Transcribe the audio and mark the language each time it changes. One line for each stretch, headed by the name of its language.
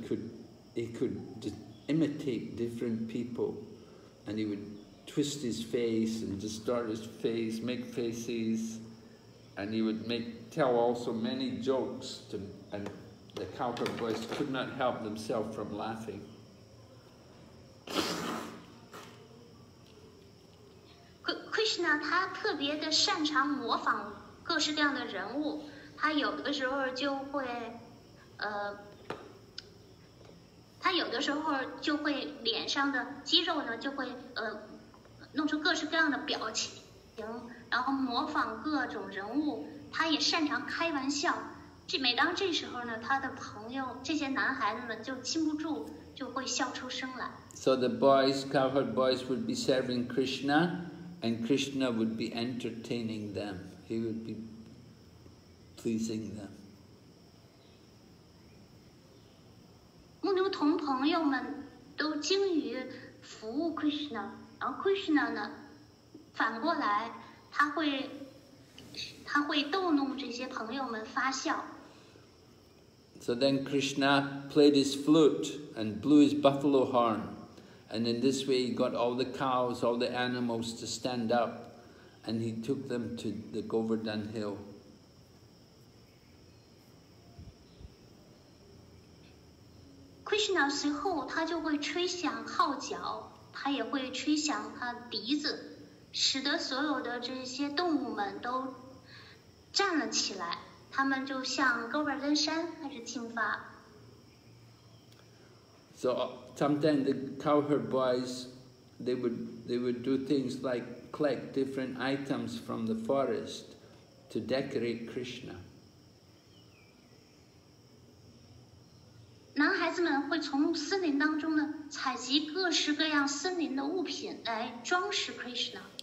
English: could imitate different people, and he would twist his face and distort his face, make faces, and he would tell also many jokes to, and the cowherd boys could not help themselves from laughing.
Chinese: Krishna 他特别的擅长模仿各式各样的人物，他有的时候就会脸上的肌肉呢就会弄出各式各样的表情，然后模仿各种人物，他也擅长开玩笑。每当这时候呢，他的朋友这些男孩子们就禁不住就会笑出声来。
English: So the boys, cowherd boys, would be serving Krishna. And Krishna would be entertaining them. He would be pleasing them. So then Krishna played his flute and blew his buffalo horn. And in this way he got all the cows, all the animals to stand up, and he took them to the Govardhan Hill.
Chinese: Krishna 随后他就会吹响号角, 他也会吹响他笛子, 使得所有的这些动物们都站了起来, 他们就向高尔根山开始进发。
English: So sometimes the cowherd boys, they would do things like collect different items from the forest to decorate Krishna.
Chinese: 男孩子们会从森林当中呢采集各式各样森林的物品来装饰 Krishna.